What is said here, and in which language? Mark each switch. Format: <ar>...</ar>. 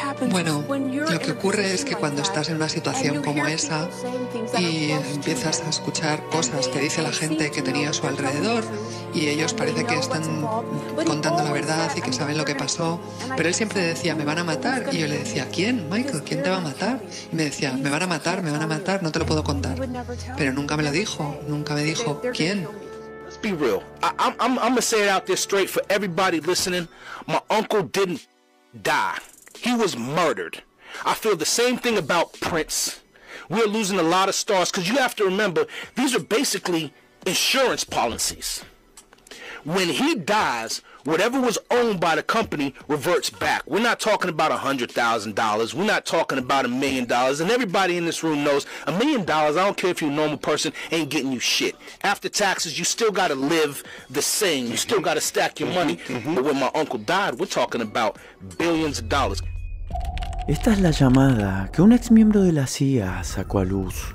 <es>Bueno, lo que ocurre es que cuando estás en una situación como esa y empiezas a escuchar cosas que dice la gente que tenía a su alrededor y ellos parece que están contando la verdad y que saben lo que pasó, pero él siempre decía, me van a matar, y yo le decía, ¿quién, Michael? ¿Quién te va a matar? Y me decía, me van a matar, no te lo puedo contar. Pero nunca me lo dijo, nunca me dijo, ¿quién?</es> <en>Let's be real. I'm gonna say it out there straight for everybody listening. My uncle didn't die. He was murdered. I feel the same thing about Prince. We're losing a lot of stars because you have to remember, these are basically insurance policies. When he dies, whatever was owned by the company reverts back. We're not talking about $100,000. We're not talking about $1 million. And everybody in this room knows $1 million, I don't care if you're a normal person, ain't getting you shit. After taxes, you still got to live the same. You still got to stack your money. But when my uncle died, we're talking about billions of dollars.</en> <es>Esta es la llamada que un ex miembro de la CIA sacó a luz.</es>